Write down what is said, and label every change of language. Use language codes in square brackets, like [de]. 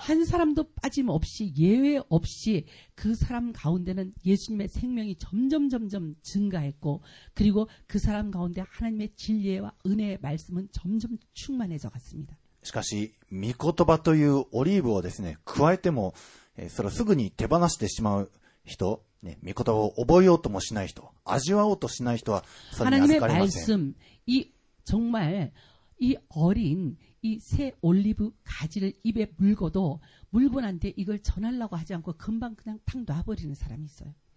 [ko] 한 사람도 빠짐없이 예외 없이 그 사람 가운데는 예수님의 생명이 점점 증가했고 그리고 그 사람 가운데 하나님의 진리와 은혜의 말씀은 점점 충만해져 갔습니다. [ja] しかし、御言葉というオリーブをですね、加えても、それをすぐに手放してしまう 人、ね、御言葉を覚えようともしない人、味わおうとしない人は [ko] 하나님의 말씀, 이 정말 이 어린 이 새 올리브 가지를 입에 물고도 물고한테 이걸 전하려고 하지 않고 금방 그냥 탁 놔버리는 사람이 있어요.